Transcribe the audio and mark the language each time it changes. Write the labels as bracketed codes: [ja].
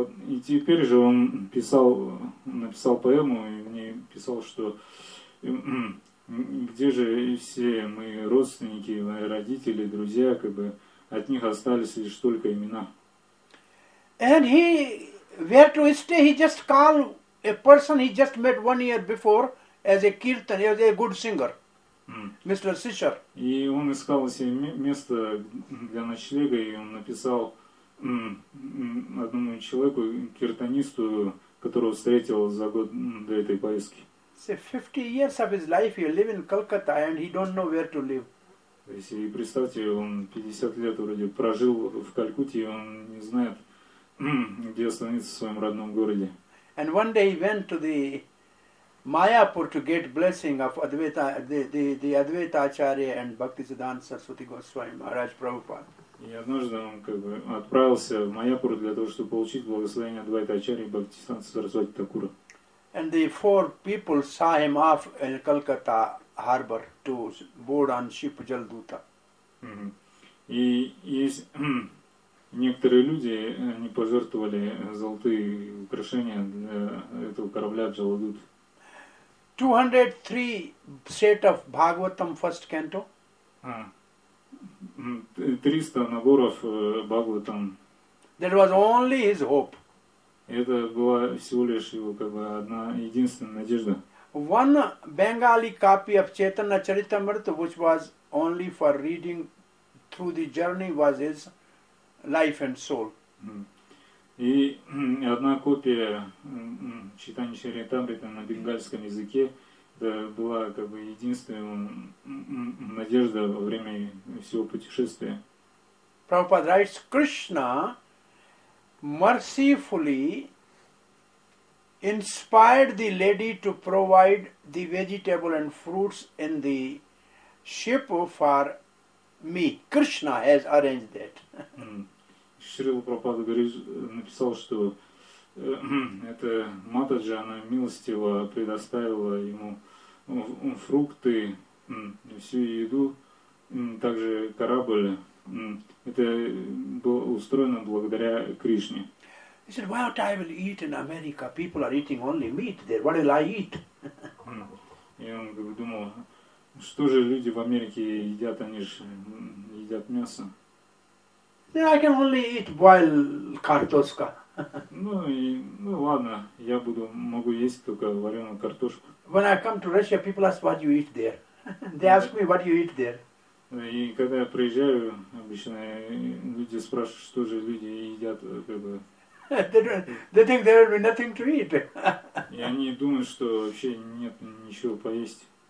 [ru] И теперь же он написал поэму и мне писал, что где же все мои родственники, мои родители, друзья, как бы от них остались лишь только имена. [en] And he where to stay? He just called a person he just met 1 year before as a kirtan, as a good singer, Mr. Sishar. [ru] И он искал себе место для ночлега и он написал одному человеку, киртанисту, которого встретил за год до этой поездки. [en] Say 50 years of his life he live in Calcutta and he don't know where to live. [ru] И представьте, он 50 лет вроде прожил в Калькутте, и он не знает, где остановиться в своем родном городе. [en] And one day he went to the Mayapur to get blessing of Advaita, the Advaita Acharya and Bhaktisiddhanta Saraswati Goswami Maharaj Prabhupada. [ru] И однажды он как бы отправился в Майяпур для того, чтобы получить благословение Адвайта Ачарьи и Бхактисиддханты Сарасвати Такура. [en] And the four people saw him off in Calcutta harbor to board on ship Jalduta. [ru] И есть некоторые люди, они пожертвовали золотые украшения для этого корабля Джаладут. [en] 203 set of Bhagavatam first canto. [ru] 300 наборов Бхагаватам. [en] That was only his hope. [ru] Это была всего лишь его как бы одна единственная надежда. [en] One Bengali copy of Chaitanya Charitamrita, which was only for reading through the journey, was his life and soul. [ru] И одна копия Чайтаньи Чаритамриты на бенгальском языке. Это была как бы единственная надежда во время всего путешествия. [en] Prabhupada writes, Krishna mercifully inspired the lady to provide the vegetable and fruits in the ship for me. Krishna has arranged that. [ru] Шрила Прабхупада написал, что это Матаджа, она милостиво предоставила ему фрукты, всю еду, также корабль. Это было устроено благодаря Кришне. [en] He said, what I will eat in America? People are eating only meat there. What will I eat? [ru] И он думал, что же люди в Америке едят, они же едят мясо. [en] Then I can only eat boiled [ru] картошка. Ну ладно, я могу есть только вареную картошку. [en] When I come to Russia, people ask what you eat there. They ask me what you eat there. [ru] И когда я приезжаю, обычно люди спрашивают, что же люди едят, как бы. [en] They think there will be nothing to eat. [ru] И они думают, что вообще нет ничего поесть.